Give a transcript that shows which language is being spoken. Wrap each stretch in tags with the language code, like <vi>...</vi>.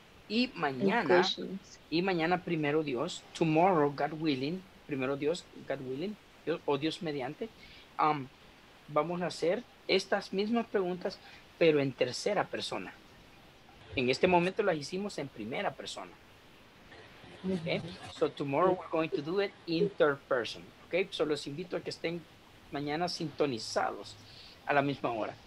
<es>Y mañana, primero Dios,</es> <en>tomorrow, God willing,</en> <es>primero Dios,</es> <en>God willing,</en> <es>Dios mediante, vamos a hacer estas mismas preguntas, pero en tercera persona. En este momento las hicimos en primera persona.</es> <en>Okay? So tomorrow we're going to do it in third person. Okay?</en> <es>So los invito a que estén mañana sintonizados a la misma hora.</es>